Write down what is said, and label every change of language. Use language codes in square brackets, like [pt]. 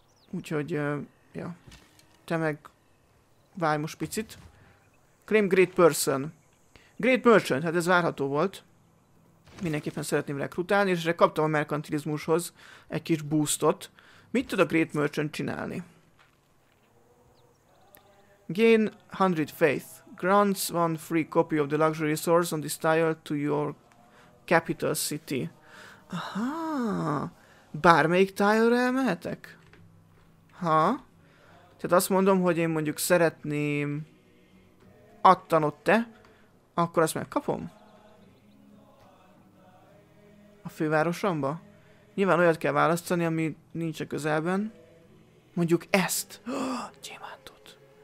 [hu] Úgyhogy, ja. Te meg várj most picit. [en] Claim Great Person. Great Merchant, [hu] hát ez várható volt. Mindenképpen szeretném rekrutálni, és kaptam a merkantilizmushoz egy kis boostot. Mit tud a Great Merchant csinálni? [en] Gain 100 faith. Grants one free copy of the luxury source on this tile to your capital city. Aha! [hu] Bármelyik tile-ra elmehetek? Ha? Tehát azt mondom, hogy én mondjuk szeretném... attanod te, akkor azt megkapom? A fővárosomba? Nyilván olyat kell választani, ami nincs a közelben. Mondjuk ezt! Gyémántot!